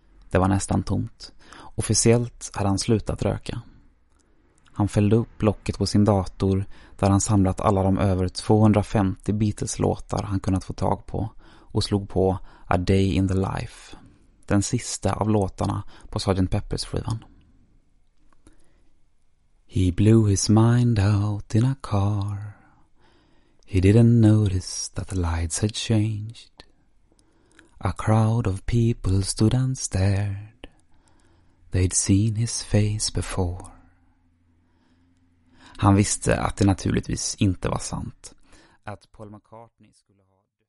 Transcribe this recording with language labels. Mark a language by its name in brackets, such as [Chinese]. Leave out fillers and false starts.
[Swedish] Det var nästan tomt. Officiellt hade han slutat röka. Han fällde upp locket på sin dator där han samlat alla de över 250 Beatles-låtar han kunnat få tag på och slog på A Day in the Life, den sista av låtarna på Sgt. Pepper's-skivan. [English] He blew his mind out in a car. He didn't notice that the lights had changed. A crowd of people stood and stared. They'd seen his face before. [Swedish] Han visste att det naturligtvis inte var sant. Att Paul McCartney skulle ha...